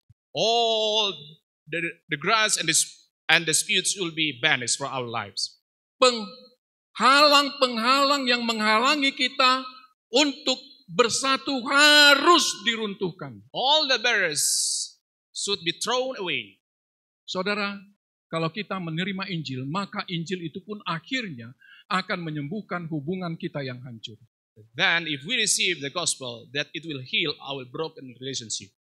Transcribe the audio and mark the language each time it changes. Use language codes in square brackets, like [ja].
[en] All the grudges and disputes will be banished from our lives. [id] Penghalang-penghalang yang menghalangi kita untuk bersatu harus diruntuhkan. [en] All the barriers should be thrown away. [id] Saudara, kalau kita menerima Injil, maka Injil itu pun akhirnya akan menyembuhkan hubungan kita yang hancur. [en] Then if we receive the gospel, that it will heal our broken relationship.